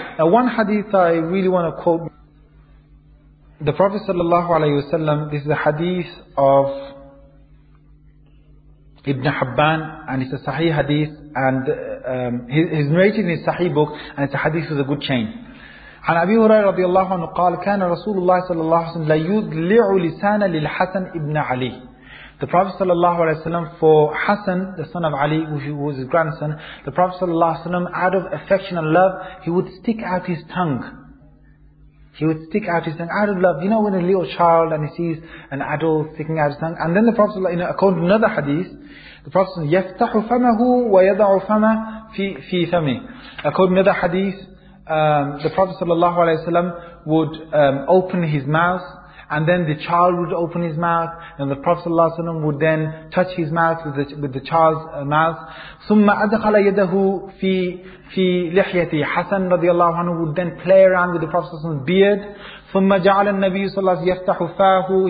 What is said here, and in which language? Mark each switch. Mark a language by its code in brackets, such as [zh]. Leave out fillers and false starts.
[en] Now one hadith I really want to quote. The Prophet ﷺ, this is a hadith of Ibn Hibban, and it's a Sahih hadith, and he's narrated in his Sahih book, and it's a hadith with a good chain. [ar] عن أبي هريرة رضي الله عنه قال كان رسول الله صلى الله عليه وسلم لا يضلع لسانه للحسن ابن علي. [en] The Prophet صلى الله عليه وسلم for Hassan the son of Ali, who was his grandson, the Prophet صلى الله عليه وسلم, out of affection and love, he would stick out his tongue. He would stick out his tongue out of love. You know when a little child and he sees an adult sticking out his tongue, and then the Prophet, you know, according to another hadith, the Prophet [ar] يفتح فمه ويضع فمه في فمه. [en] According to another hadith, the Prophet sallallahu alaihi wasallam would open his mouth, and then the child would open his mouth, and the Prophet sallallahu alaihi wasallam would then touch his mouth with the child's mouth. [ar] ثم أدخل يده في لحيتي. [en] Hassan radiallahu anhu would then play around with the Prophet sallallahu alaihi wasallam's beard. [ar] ثم جعل النبي صلى الله عليه وسلم يفتح فاه.